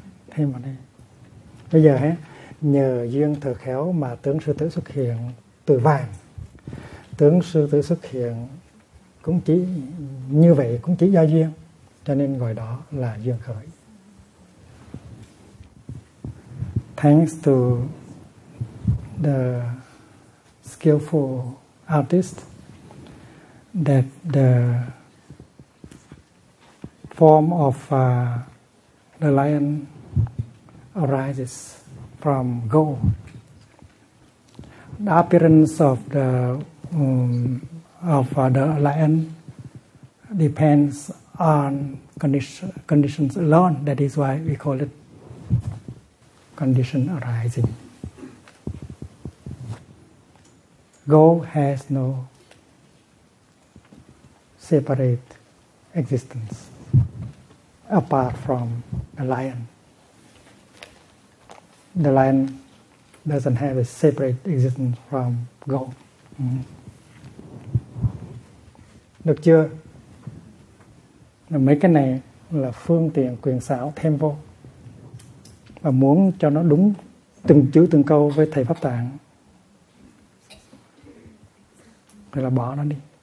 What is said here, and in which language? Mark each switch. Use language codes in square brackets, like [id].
[vi] Thêm vào đây. Bây giờ nhờ duyên thừa khéo mà tướng sư tử xuất hiện từ vàng. Tướng sư tử xuất hiện cũng chỉ như vậy, cũng chỉ do duyên, cho nên gọi đó là duyên khởi. [en] Thanks to the skillful artist that the form of the lion arises from gold. The appearance of the the lion depends on conditions alone. That is why we call it condition arising. Gold has no separate existence apart from the lion. The lion doesn't have a separate existence from gold. [vi] Được chưa? Mấy cái này là phương tiện quyền xảo thêm vô. Và muốn cho nó đúng từng chữ từng câu với Thầy Pháp Tạng thì là bỏ nó đi.